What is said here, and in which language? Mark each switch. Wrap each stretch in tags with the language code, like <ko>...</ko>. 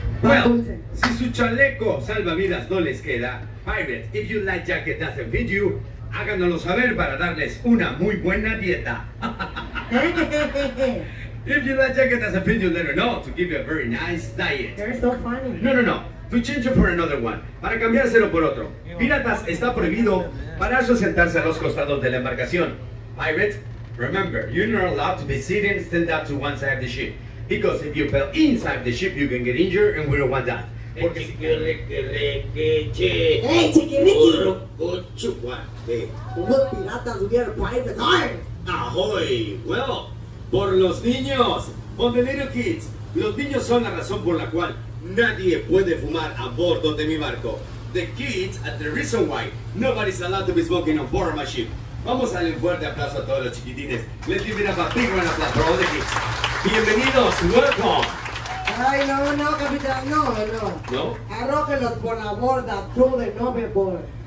<es>Well, si su chaleco salvavidas no les queda,</es> <en>Pirate, if you like jacket doesn't fit you,</en> <es>háganoslo saber para darles una muy buena dieta.</es> <en>If you like jacket doesn't fit you, let her know to give you a very nice diet. They're so funny. No, no, no. To change it for another one.</en> <es>Para cambiárselo por otro. Piratas, está prohibido pararse o sentarse a los costados de la embarcación.</es> <en>Pirate, remember, you're not allowed to be sitting stand up to one side of the ship. Because if you fell inside the ship, you can get injured, and we don't want that. Hey, chiquiriki! Ahoy!</en> <es>Well, por los niños,</es> <en>on the little kids,</en> <es>los niños son la razón por la cual nadie puede fumar a bordo de mi barco.</es> <en>The kids are the reason why nobody's allowed to be smoking on board my ship.</en> <es>Vamos a darle un fuerte aplauso a todos los chiquitines.</es> <en>Let's give it up a big round of applause for all the kids.</en> <es>Bienvenidos,</es> <en>welcome.</en> <es>Ay, no, no, capitán, no, no. No? Arrójelos por la borda, tú de no me por.</es>